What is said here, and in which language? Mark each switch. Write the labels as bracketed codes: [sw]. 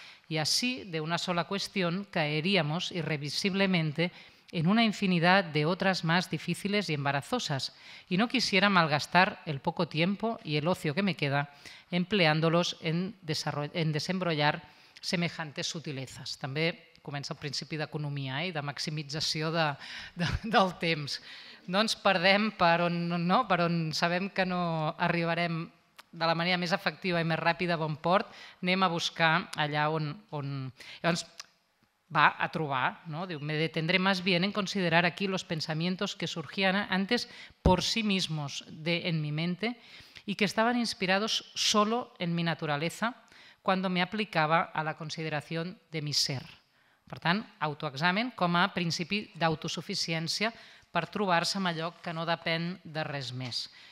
[es] Y así, de una sola cuestión, caeríamos irrevisiblemente en una infinidad de otras más difíciles y embarazosas. Y no quisiera malgastar el poco tiempo y el ocio que me queda empleándolos en desembrollar semejantes sutilezas. [ca] També comença el principi d'economia i de maximització del temps. No ens perdem per on sabem que no arribarem de la manera més efectiva i més ràpida a bon port, anem a buscar allà on... Llavors, va a trobar, no? [es] Diu, me detendré más bien en considerar aquí los pensamientos que surgían antes por sí mismos en mi mente y que estaban inspirados solo en mi naturaleza cuando me aplicaba a la consideración de mi ser. [ca] Per tant, autoexamen com a principi d'autosuficiència per trobar-se amb allò que no depèn de res més.